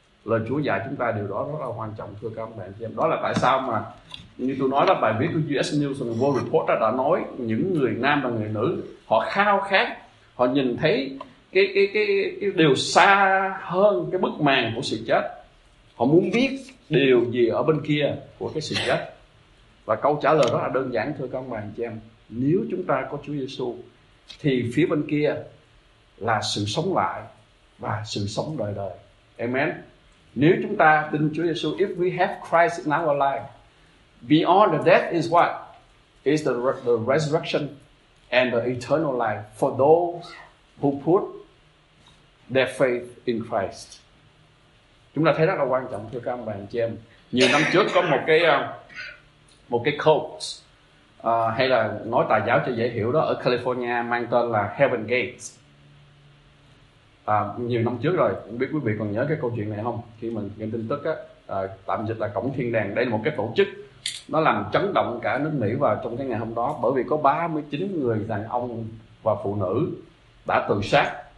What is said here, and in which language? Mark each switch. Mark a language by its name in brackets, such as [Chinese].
[Vietnamese] Lời Chúa dạy chúng ta điều đó rất là quan trọng, thưa các ông bạn chị em. Đó là tại sao mà như tôi nói, là bài viết của US News and World Report đã nói những người nam và người nữ họ khao khát, họ nhìn thấy cái điều xa hơn cái bức màn của sự chết. Họ muốn biết điều gì ở bên kia của cái sự chết. Và câu trả lời rất là đơn giản, thưa các ông bạn chị em. Nếu chúng ta có Chúa Giêsu thì phía bên kia là sự sống lại và sự sống đời đời. Amen. Nếu chúng ta tin Chúa Giêsu, [English] if we have Christ in our life, beyond the death is what? Is the resurrection and the eternal life for those who put their faith in Christ. [Vietnamese] Chúng ta thấy rất là quan trọng, thưa các ông bà anh chị em. Nhiều năm trước có một cái cult hay là nói tà giáo cho dễ hiểu đó, ở California mang tên là Heaven Gates. Nhiều năm trước rồi, không biết quý vị còn nhớ cái câu chuyện này không? Khi mình nghe tin tức á, tạm dịch là Cổng Thiên Đàng. Đây là một cái tổ chức nó làm chấn động cả nước Mỹ vào trong cái ngày hôm đó, bởi vì có 39 người đàn ông và phụ nữ đã tự sát.